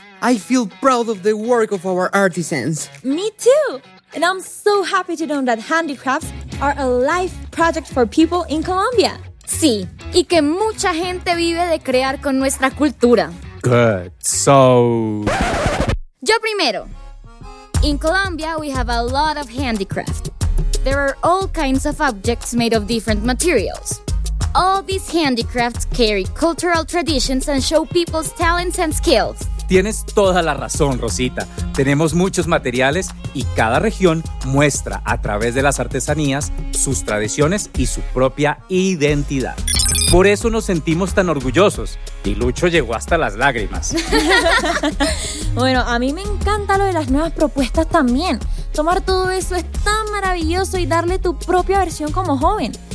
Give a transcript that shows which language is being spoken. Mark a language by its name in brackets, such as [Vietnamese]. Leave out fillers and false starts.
[English] I feel proud of the work of our artisans. Me too. And I'm so happy to know that handicrafts are a life project for people in Colombia. [Spanish] Sí, y que mucha gente vive de crear con nuestra cultura. [English] Good. So... [Spanish] Yo primero. [English] In Colombia, we have a lot of handicraft. There are all kinds of objects made of different materials. All these handicrafts carry cultural traditions and show people's talents and skills. [Spanish] Tienes toda la razón, Rosita. Tenemos muchos materiales y cada región muestra a través de las artesanías sus tradiciones y su propia identidad. Por eso nos sentimos tan orgullosos y Lucho llegó hasta las lágrimas. Bueno, a mí me encanta lo de las nuevas propuestas también. Tomar todo eso es tan maravilloso y darle tu propia versión como joven.